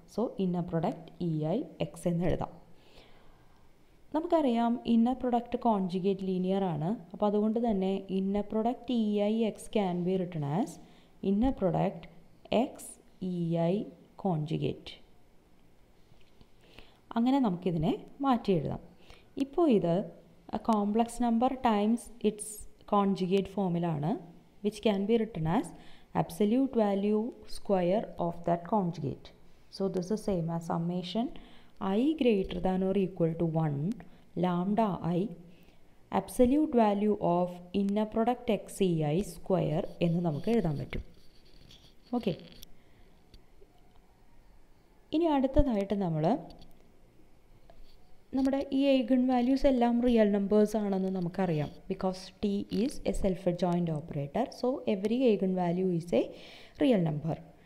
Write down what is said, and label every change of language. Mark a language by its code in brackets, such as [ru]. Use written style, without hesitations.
[ml] So inner product E I X എന്ന് എഴുതാം. നമുക്കറിയാം ഇന്നർ പ്രൊഡക്റ്റ് കോൺജുഗേറ്റ് ലീനിയർ ആണ്. അപ്പോൾ അതുകൊണ്ട് തന്നെ [en] Inner product e i x can be written as inner product x e i conjugate. [ml] അങ്ങനെ നമുക്കിതിനെ മാറ്റി എഴുതാം. ഇപ്പോൾ ഇത് [en] a complex number times its conjugate formula ana which can be written as absolute value square of that conjugate. So this is the same as summation I greater than or equal to 1 lambda I absolute value of inner product x e I square [ml] ennu namukku ezhuthan pattum. Okay, ini aduthathayittu nammal നമ്മുടെ ഈ eigen values എല്ലാം real numbers ആണെന്ന് നമുക്കറിയാം. [en] Because T is a self adjoint operator, so every eigenvalue is a real number.